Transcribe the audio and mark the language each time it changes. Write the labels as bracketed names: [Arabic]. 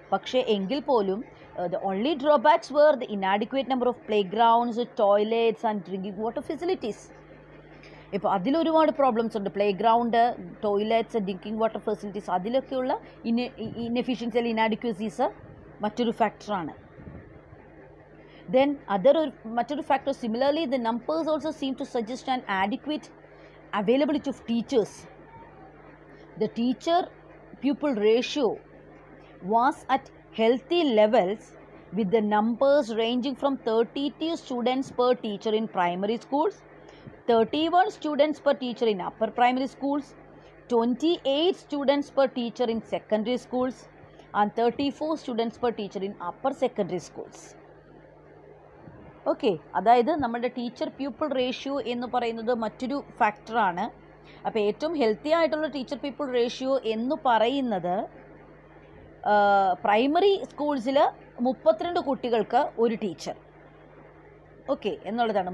[Malayalam] പക്ഷേ എങ്കിൽ പോലും [English] The only drawbacks were the inadequate number of play grounds, toilets and drinking water facilities. [Malayalam] ഇപ്പോൾ അതിലൊരുപാട് പ്രോബ്ലംസ് ഉണ്ട്, play ground, toilets, drinking water facilities, അതിലൊക്കെയുള്ള ഇനെഫിഷ്യൻസി അല്ലെങ്കിൽ ഇനാഡിക്വസീസ് മറ്റൊരു ഫാക്ടറാണ്. [English] Then other material factors, similarly the numbers also seem to suggest an adequate availability of teachers. The teacher pupil ratio was at healthy levels with the numbers ranging from 32 students per teacher in primary schools, 31 students per teacher in upper primary schools, 28 students per teacher in secondary schools, and 34 students per teacher in upper secondary schools. [Malayalam] Okay, അതായത് നമ്മുടെ teacher pupil ratio എന്ന് പറയുന്നത് മറ്റൊരു ഫാക്ടറാണ്. അപ്പോൾ ഏറ്റവും healthy ആയിട്ടുള്ള teacher pupil ratio എന്ന് പറയുന്നത് പ്രൈമറി സ്കൂൾസിൽ 32 കുട്ടികൾക്ക് ഒരു ടീച്ചർ ഓക്കെ എന്നുള്ളതാണ്.